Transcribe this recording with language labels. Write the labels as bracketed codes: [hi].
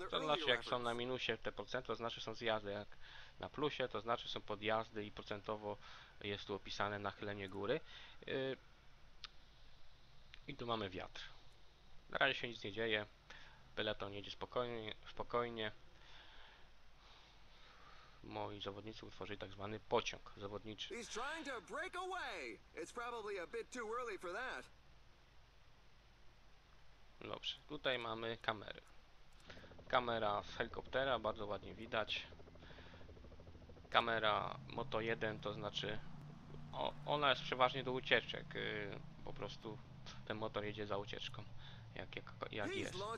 [pl] To znaczy, jak są na minusie te procenty, to znaczy są zjazdy. Jak na plusie, to znaczy są podjazdy i procentowo jest tu opisane nachylenie góry. I tu mamy wiatr. Na razie się nic nie dzieje. Peleton jedzie spokojnie, spokojnie. Moi zawodnicy utworzyli tak zwany pociąg zawodniczy. [en] He's trying to break away. It's probably a bit too early for that. [pl] Dobrze, tutaj mamy kamery. Kamera z helikoptera, bardzo ładnie widać. Kamera Moto 1, to znaczy ona jest przeważnie do ucieczek. Po prostu ten motor jedzie za ucieczką, jak jest.